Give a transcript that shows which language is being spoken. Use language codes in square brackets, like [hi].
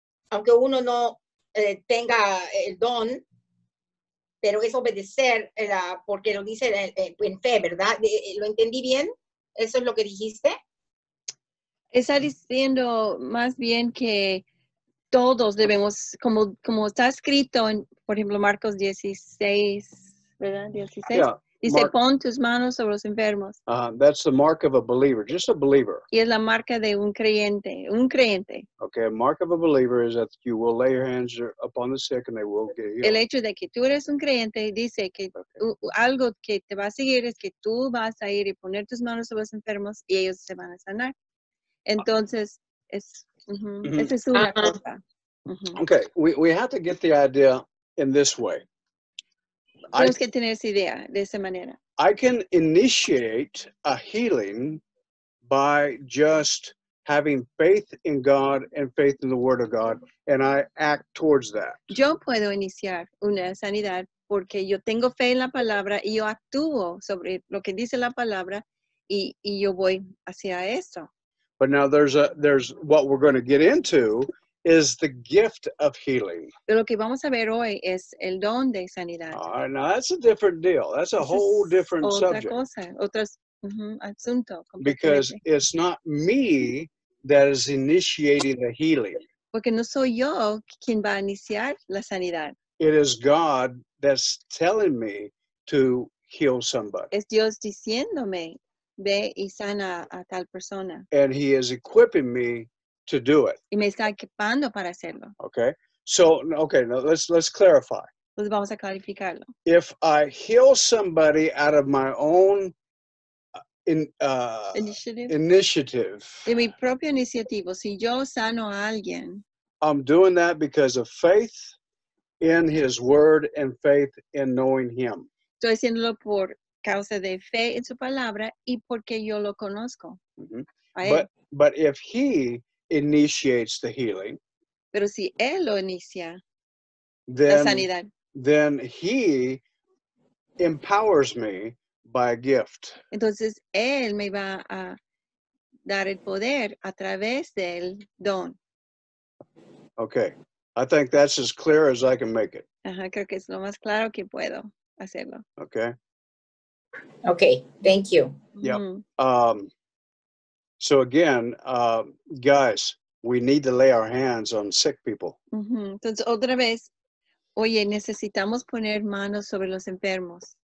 [es] aunque uno no tenga el don, pero es obedecer, porque lo dice en fe, ¿verdad? ¿Lo entendí bien? ¿Eso es lo que dijiste? Está diciendo más bien que todos debemos, como está escrito en, por ejemplo, Marcos 16, ¿verdad? 16. Yeah. Dice, pon tus manos sobre los enfermos. [en] That's the mark of a believer, just a believer. [es] Y es la marca de un creyente. [en] Okay, a mark of a believer is that you will lay your hands upon the sick and they will get healed. [es] El hecho de que tú eres un creyente dice que algo que te va a seguir es que tú vas a ir y poner tus manos sobre los enfermos y ellos se van a sanar. Entonces, esa es una cosa. [en] Okay, we have to get the idea in this way. [es] Tienes que tener esa idea de esa manera. [en] I can initiate a healing by just having faith in God and faith in the Word of God, and I act towards that. [es] Yo puedo iniciar una sanidad porque yo tengo fe en la palabra y yo actúo sobre lo que dice la palabra y yo voy hacia eso. [en] But now there's what we're going to get into is the gift of healing. [es] Pero lo que vamos a ver hoy es el don de sanidad. [en] All right, now that's a different deal. That's a whole different [es] otra [en] subject. [es] Cosa, otro asunto. [en] Because it's not me that is initiating the healing. [es] Porque no soy yo quien va a iniciar la sanidad. [en] It is God that's telling me to heal somebody. [es] Es Dios diciéndome, ve y sana a tal persona. [en] And he is equipping me to do it. [es] Y me está equipando para hacerlo. [en] Okay. So, okay, now let's clarify. [es] Pues vamos a clarificarlo. [en] If I heal somebody out of my own initiative. [es] De mi propio iniciativo, si yo sano a alguien, [en] I'm doing that because of faith in his word and faith in knowing him. [es] Estoy haciéndolo por causa de fe en su palabra y porque yo lo conozco. [en] Mm-hmm. But if he initiates the healing, [es] pero si él lo inicia, then, la sanidad, [en] then he empowers me by a gift. [es] Entonces él me va a dar el poder a través del don. [en] Okay, I think that's as clear as I can make it. [es] Ajá, creo que es lo más claro que puedo hacerlo. [en] Okay. Okay, thank you. Yeah. So again, guys, we need to lay our hands on sick people. Mm-hmm. [es] Entonces, otra vez, oye, necesitamos poner manos sobre los enfermos.